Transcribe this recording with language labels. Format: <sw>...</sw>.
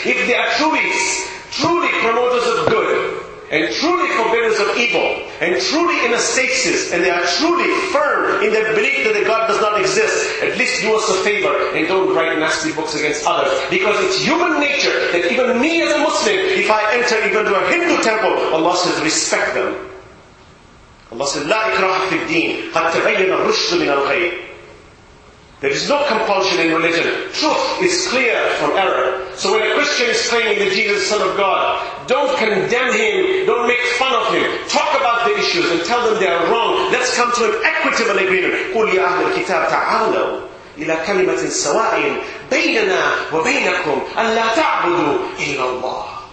<en>If they are truly promoters of good, and truly forbidders of evil, and truly in a stasis, and they are truly firm in their belief that the God does not exist, at least do us a favor and don't write nasty books against others. Because it's human nature that even me as a Muslim, if I enter even to a Hindu temple, Allah says, respect them. Allah says,</en> <ar>لَا إِكْرَاحَ فِي الدِّينِ قَدْ تَبَيَّنَ الرُّشْدُ مِنَ الْغَيْبِ.</ar> <en>There is no compulsion in religion. Truth is clear from error. So when a Christian is claiming that Jesus is the Son of God, don't condemn him, don't make fun of him. Talk about the issues and tell them they are wrong. Let's come to an equitable agreement.</en> <ar>قُلْ يَا أَهْلَ الْكِتَابِ تَعَالَوْا إِلَى كَلِمَةٍ سَوَاءٍ بَيْنَنَا وَبَيْنَكُمْ أَلَّا تَعْبُدُوا إِلَّا اللَّهِ.</ar>